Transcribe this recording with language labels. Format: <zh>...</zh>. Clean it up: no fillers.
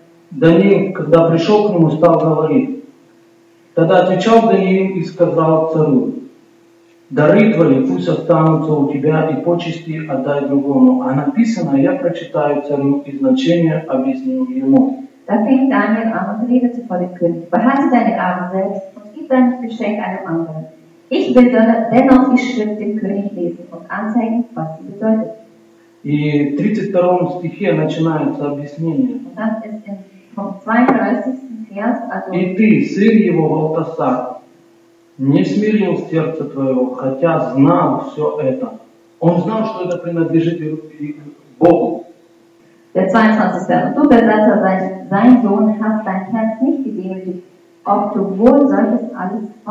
<ru>Даниил, когда пришел к нему, стал говорить. Тогда отвечал Даниил и сказал царю: «Дары твои пусть останутся у тебя, и почести отдай другому». А написано, я прочитаю царю и значение объяснил ему.</ru> <de>Da fing Daniel an und redete vor dem König: Behalte deine Gaben selbst und gib dein Geschenk einem anderen. Ich will dennoch die Schrift dem König lesen und anzeigen, was sie bedeutet.</de> <ru>И в 32 стихе начинается объяснение.</ru> <de>Und das ist vom 32. Vers, also:</de> <ru>И ты, сын его, Валтасар, не смирил сердце твоего, хотя знал все это. Он знал, что это принадлежит Богу.</ru> <de>Der 22. Du, Belsatzar, sein Sohn, hast dein Herz nicht gedemütigt, obwohl solches alles</de>